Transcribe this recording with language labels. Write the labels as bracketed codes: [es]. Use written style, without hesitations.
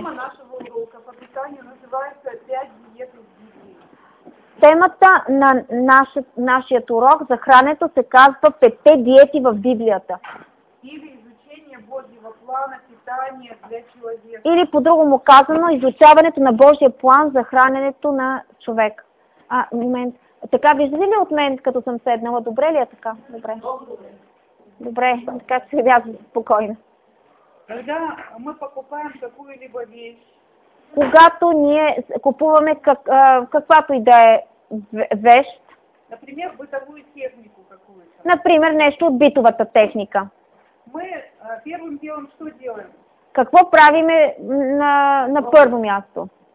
[ru] Тема нашего урока по питанию называется «5 диет из 10». [bg] Темата на нашия урок за хрането се казва «5 диети в Библията». [ru] Или изучение Божьего плана питания для человека. [bg] Или по-другому казано, изучаването на Божия план за храненето на човек. А, момент. Така, виждали ли от мен, като съм седнала? Добре ли е така? Добре. Добре, така се вяза спокойно. [ru] Когда мы покупаем какую-либо вещь, [bg] когато ние купуваме каквато и да е вещ, [ru] например, бытовую технику какую-то, [bg] например, нещо от битовата техника, [ru] мы первым делом что делаем? [bg] Какво правиме на първо място?